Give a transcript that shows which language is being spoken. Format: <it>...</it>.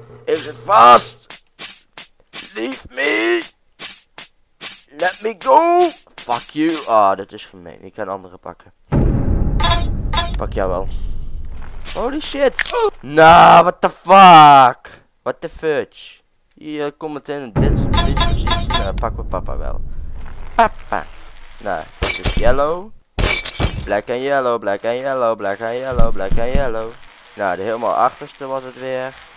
<nl>Ik zit vast!</nl> <en>Leave me! Let me go! Fuck you!</en> <nl>Ah, oh, dat is gemeen. Ik kan andere pakken. Pak jou wel. Holy shit!</nl> <en>Nah, what the fuck? What the fudge?</en> <nl>Hier komt meteen een dit soort dingetjes. Pak mijn papa wel. Papa! Nou, dit is yellow.</nl> <en>Black and yellow, black and yellow, black and yellow, black and yellow.</en> <nl>Nou, de helemaal achterste was het weer.</nl>